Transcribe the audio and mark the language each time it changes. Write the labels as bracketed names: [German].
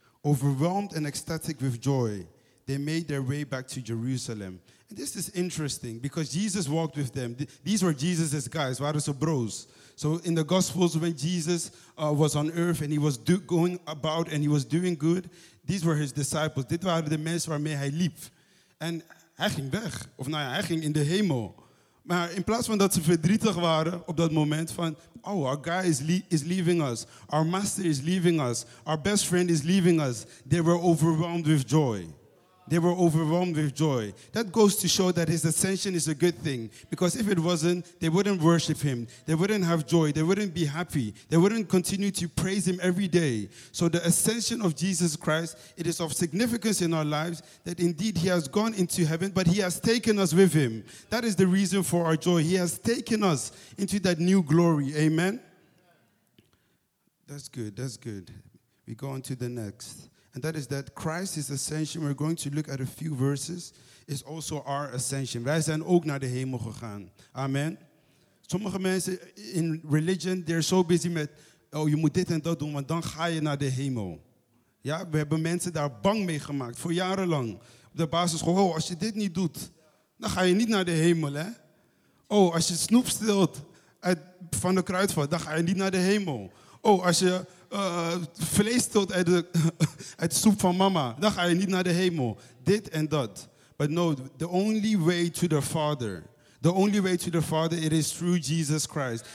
[English] Overwhelmed and ecstatic with joy, they made their way back to Jerusalem. And this is interesting because Jesus walked with them. These were Jesus' guys, right? So bros. So in the Gospels, when Jesus was on earth and he was going about and he was doing good, these were his disciples. [Dutch] Dit waren de mensen waarmee hij liep. En hij ging weg. Of nou ja, hij ging in de hemel. Maar in plaats van dat ze verdrietig waren op dat moment van, oh, [English] our guy is leaving us. Our master is leaving us. Our best friend is leaving us. They were overwhelmed with joy. They were overwhelmed with joy. That goes to show that his ascension is a good thing. Because if it wasn't, they wouldn't worship him. They wouldn't have joy. They wouldn't be happy. They wouldn't continue to praise him every day. So the ascension of Jesus Christ, it is of significance in our lives that indeed he has gone into heaven, but he has taken us with him. That is the reason for our joy. He has taken us into that new glory. Amen? That's good. That's good. We go on to the next. And that is that Christ's ascension, we're going to look at a few verses, is also our ascension. [Dutch] Wij zijn ook naar de hemel gegaan. Amen. Sommige mensen in religion, [English] they're so busy [Dutch] met, oh, je moet dit en dat doen, want dan ga je naar de hemel. Ja, we hebben mensen daar bang mee gemaakt, voor jarenlang. Op de basis van, oh, als je dit niet doet, dan ga je niet naar de hemel, hè. Oh, als je snoep steelt van de kruidvat, dan ga je niet naar de hemel. Oh, als je vlees tot uit soep van mama, dan ga je niet naar de hemel. Dit en dat. [English] But no, the only way to the Father, the only way to the Father, it is through Jesus Christ.